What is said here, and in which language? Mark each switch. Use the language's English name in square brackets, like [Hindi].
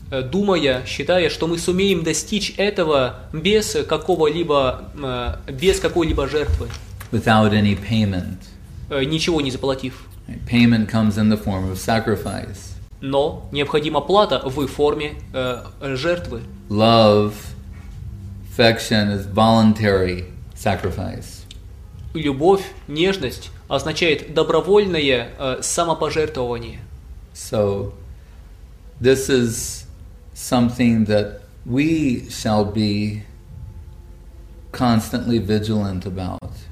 [Russian] Думая, считая, что мы сумеем достичь этого без какого-либо без какой-либо жертвы. [English] Without any payment. [Russian] Ничего не заплатив. [English] Payment comes in the form of sacrifice. [Russian] Но необходима плата в форме жертвы. [English] Love, affection is voluntary sacrifice. [Russian] Любовь, нежность означает добровольное самопожертвование. [English] So, this is something that we shall be constantly vigilant about.